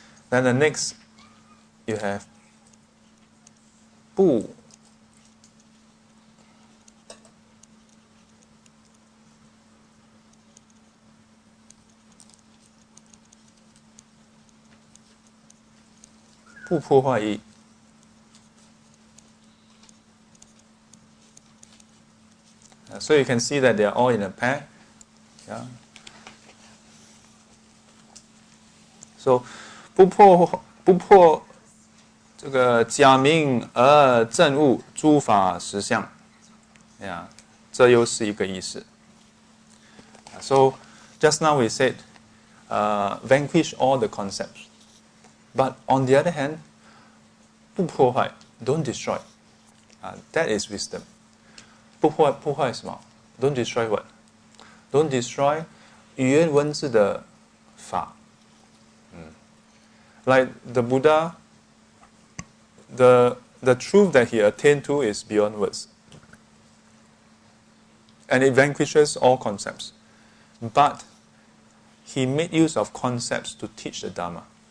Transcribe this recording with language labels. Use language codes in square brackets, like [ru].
[en] Then the next, you have 不不破坏意，so you can see that they are all in a pair. Yeah. [zh] So, 不破这个假名而证悟诸法实相。 [en] Yeah, [zh] 这又是一个意思。 [en] So, just now we said, vanquish all the concepts. But on the other hand, 不破坏, don't destroy. That is wisdom. [zh] 不破坏什么? [en] Don't destroy what? don't destroy [zh] 语言文字的法。 [en] Like the Buddha, the truth that he attained to is beyond words. And it vanquishes all concepts. But he made use of concepts to teach the Dharma.